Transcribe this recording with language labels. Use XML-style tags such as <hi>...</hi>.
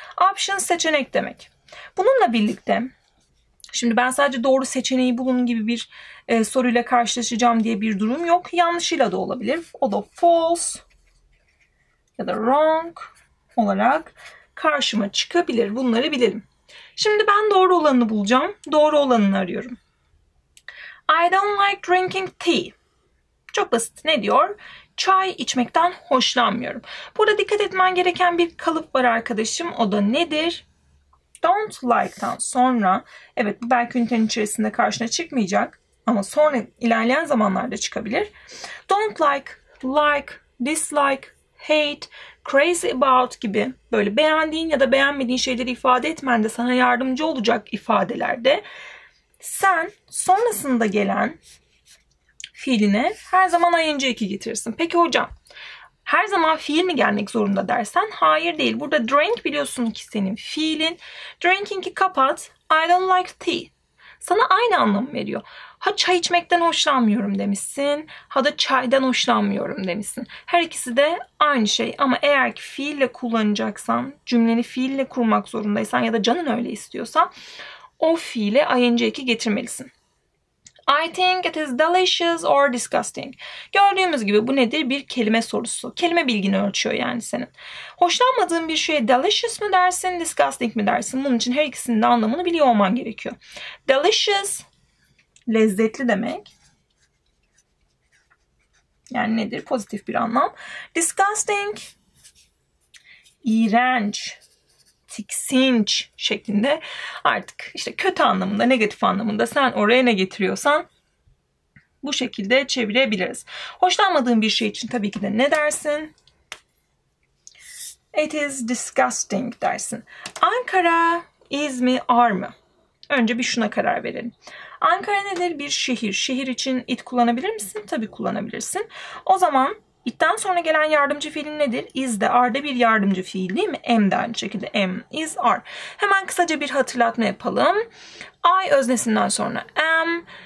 <tr>Option seçenek demek. Bununla birlikte şimdi ben sadece doğru seçeneği bulun gibi bir soruyla karşılaşacağım diye bir durum yok. Yanlışıyla da olabilir. O da false ya da wrong olarak karşıma çıkabilir. Bunları bilelim. Şimdi ben doğru olanını bulacağım. Doğru olanını arıyorum.</tr> <en>I don't like drinking tea.</en> <tr>Çok basit. Ne diyor? Çay içmekten hoşlanmıyorum. Burada dikkat etmen gereken bir kalıp var arkadaşım. O da nedir? Don't like'tan sonra, evet bu belki ünitenin içerisinde karşına çıkmayacak ama sonra ilerleyen zamanlarda çıkabilir. Don't like, like, dislike, hate, crazy about gibi böyle beğendiğin ya da beğenmediğin şeyleri ifade etmen de sana yardımcı olacak ifadelerde sen sonrasında gelen fiiline her zaman ing eki getirirsin. Peki hocam, her zaman fiil mi gelmek zorunda dersen? Hayır değil. Burada drink biliyorsun ki senin fiilin. Drinking'i kapat.</tr> <en>I don't like tea.</en> <tr>Sana aynı anlamı veriyor. Ha çay içmekten hoşlanmıyorum demişsin. Ha da çaydan hoşlanmıyorum demişsin. Her ikisi de aynı şey. Ama eğer ki fiille kullanacaksan, cümleni fiille kurmak zorundaysan ya da canın öyle istiyorsa o fiile ing eki getirmelisin.</tr> <en>I think it is delicious or disgusting.</en> <tr>Gördüğümüz gibi bu nedir? Bir kelime sorusu. Kelime bilgini ölçüyor yani senin. Hoşlanmadığın bir şeye delicious mi dersin, disgusting mi dersin? Bunun için her ikisinin de anlamını biliyor olman gerekiyor. Delicious, lezzetli demek. Yani nedir? Pozitif bir anlam. Disgusting, iğrenç. Tiksinç şeklinde artık işte kötü anlamında, negatif anlamında sen oraya ne getiriyorsan bu şekilde çevirebiliriz. Hoşlanmadığın bir şey için tabii ki de ne dersin?</tr> <en>It is disgusting</en> <tr>dersin. Ankara is mi, are mı? Önce bir şuna karar verelim. Ankara nedir? Bir şehir. Şehir için it kullanabilir misin? Tabii kullanabilirsin. O zaman İtten sonra gelen yardımcı fiilin nedir? Is de, are de bir yardımcı fiil değil mi? Am de aynı şekilde. Am, is, are. Hemen kısaca bir hatırlatma yapalım. I öznesinden sonra am.</tr>